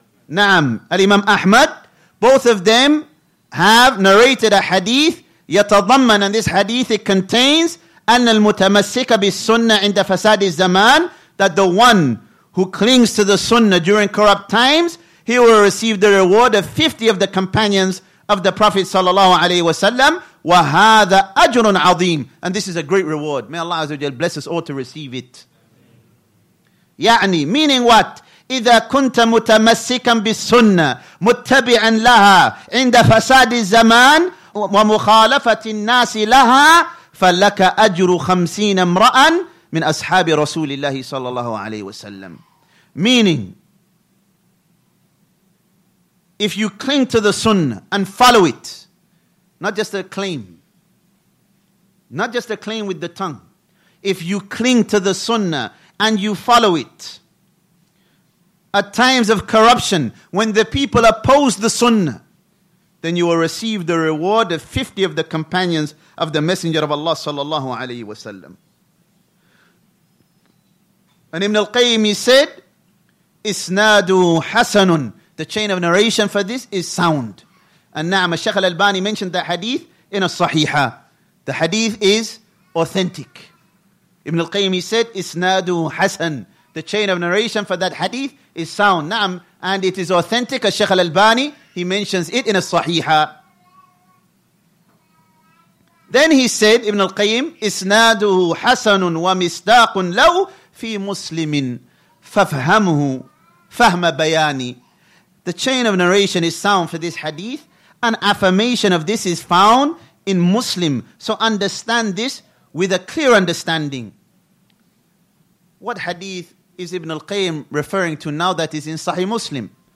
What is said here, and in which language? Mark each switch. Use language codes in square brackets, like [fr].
[en] Naam, al-Imam Ahmad, both of them have narrated a hadith, yatadhamman, and this hadith, it contains, [ar] anna al-mutamassika bis-sunnah inda fasadi zaman, [en] that the one who clings to the sunnah during corrupt times, he will receive the reward of 50 of the companions of the Prophet sallallahu alayhi wa sallam, [ar] wa hadha ajrun azim, [en] and this is a great reward. May Allah azza wa jal bless us all to receive it. Ya'ni, meaning what? [ar] إذا كنت متمسكا بالسنة متبعا لها عند فساد الزمان ومخالفة الناس لها فلك أجر خمسين امرأة من أصحاب رسول الله صلى الله عليه وسلم. [en] Meaning, if you cling to the sunnah and follow it, not just a claim with the tongue, if you cling to the sunnah and you follow it, at times of corruption, when the people oppose the sunnah, then you will receive the reward of 50 of the companions of the Messenger of Allah sallallahu alayhi wa sallam. And Ibn al-Qayyim, he said, [ar] Isnadu hasanun. [en] The chain of narration for this is sound. And na'am, Shaykh al-Albani mentioned the hadith in a sahiha. The hadith is authentic. Ibn al-Qayyim, he said, [ar] Isnadu hasan. [en] the chain of narration for that hadith is sound. Na'am, and it is authentic. As Shaykh al-Albani, he mentions it in a sahiha. Then he said, Ibn al-Qayyim, [ar] إِسْنَادُهُ حَسَنٌ وَمِسْدَاقٌ لَوْ فِي مُسْلِمٍ فَفْهَمُهُ فَهْمَ بَيَانِ. [en] The chain of narration is sound for this hadith. An affirmation of this is found in Muslim. So understand this with a clear understanding. What hadith is Ibn al-Qayyim referring to now that is in Sahih Muslim?